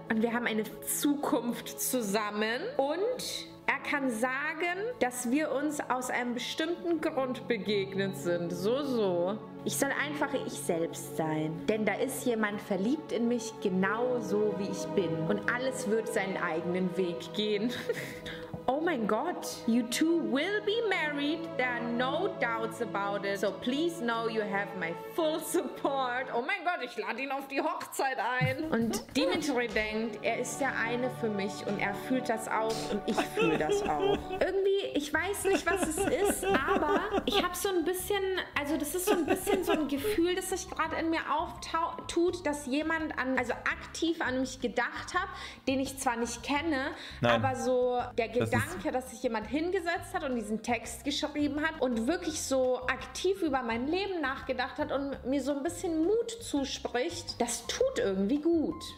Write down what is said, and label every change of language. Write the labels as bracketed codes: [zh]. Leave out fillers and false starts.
[de] Und wir haben eine Zukunft zusammen. Und er kann sagen, dass wir uns aus einem bestimmten Grund begegnet sind. So. Ich soll einfach ich selbst sein. Denn da ist jemand verliebt in mich, genau so wie ich bin. Und alles wird seinen eigenen Weg gehen. Oh mein Gott, [en] you two will be married. There are no doubts about it. So please know you have my full support. [de] Oh mein Gott, ich lade ihn auf die Hochzeit ein. Und Dimitri denkt, er ist der eine für mich und er fühlt das auch und ich fühle das auch. Irgendwie, ich weiß nicht, was es ist, aber ich habe so ein bisschen, also das ist so ein bisschen so ein Gefühl, das sich gerade in mir auftut, dass jemand aktiv an mich gedacht hat, den ich zwar nicht kenne, Nein. Aber so der Gedanke, dass sich jemand hingesetzt hat und diesen Text geschrieben hat und wirklich so aktiv über mein Leben nachgedacht hat und mir so ein bisschen Mut zuspricht, das tut irgendwie gut.